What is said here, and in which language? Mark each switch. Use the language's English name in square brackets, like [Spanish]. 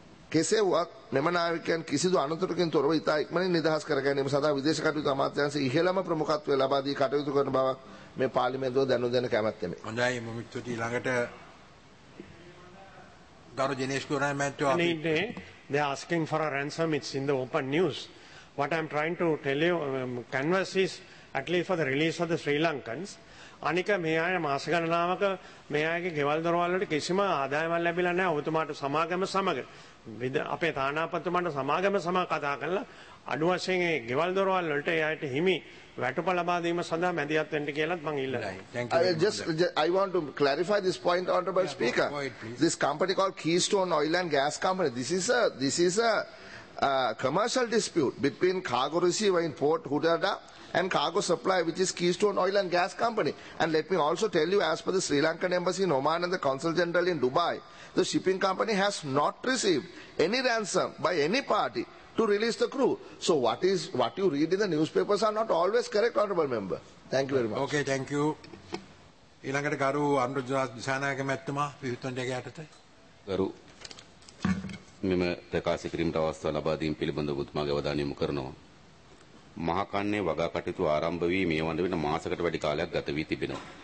[Sinhala] කෙසේ වුවත් මෙම නාවිකයන් කිසිදු අනතුරකින් තොරව ඉතා ඉක්මනින් නිදහස් කර ගැනීම සඳහා විදේශ කටයුතු අමාත්‍යාංශයේ ඉහළම ප්‍රමුඛත්වය ලබා දී කටයුතු කරන බව මේ පාර්ලිමේන්තුව දැනුම් දෙන්න කැමැත්තෙමි. හොඳයි මොමිත්තුටි ළඟට ගරු ජිනේෂ් ගුණරත්න මහත්තයා අපි ඉන්නේ. [English] They are asking for a ransom. It's in the open news. What I'm trying to tell you, converse is at least for the release of the Sri Lankans. [Sinhala] අනික මේ අය මාස ගණනාවක මේ අයගේ ගෙවල් දොරවල් වලට කිසිම ආදායමක් ලැබිලා නැහැ. ඔබතුමාට සමාගම සමග අපේ තානාපතිතුමාට සමාගම සමග කතා කරලා අඩු වශයෙන් ඒ ගෙවල් දොරවල් වලට ඒ අයට හිමි වැටුප ලබා දීම සඳහා මැදිහත් වෙන්න කියලාත් මම ඉල්ලනවා. [English] I want to clarify this point, honorable speaker. This company called Keystone Oil and Gas Company, this is a commercial dispute between cargo receiver in Port Hudada and cargo supply, which is Keystone Oil and Gas Company. And let me also tell you, as per the Sri Lankan embassy in Oman and the consul general in Dubai, the shipping company has not received any ransom by any party to release the crew. So what you read in the newspapers are not always correct, honorable member. Thank you very much. Okay, thank you. [Sinhala] ඊළඟට ගරු අනුරජ දිසානායක මැතිතුමා විහිතුන් දෙක යටතට ගරු මෙම ප්‍රකාශ කිරීමට අවස්ථාව ලබා දීම පිළිබඳව ඔබතුමාගේ අවධානය යොමු කරනවා. මහකන්නේ වගා කටයුතු ආරම්භ වී මේ වන විට මාසකට වැඩි කාලයක් ගත වී තිබෙනවා.